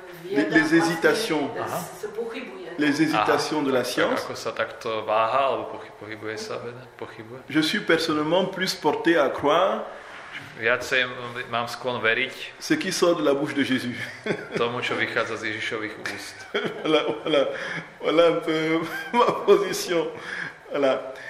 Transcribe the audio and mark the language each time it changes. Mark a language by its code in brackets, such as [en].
[fr] les hésitations, les hésitations de la science, [sk] ako sa takto váha alebo pochybuje sa veda, pochybuje. [fr] Je suis personnellement plus porté à croire, [sk] viacej mám sklon veriť, [fr] ce qui sort de la bouche de Jésus, [sk] tomu, čo vychádza z Ježišových úst. [fr] Voilà un peu ma position. Voilà.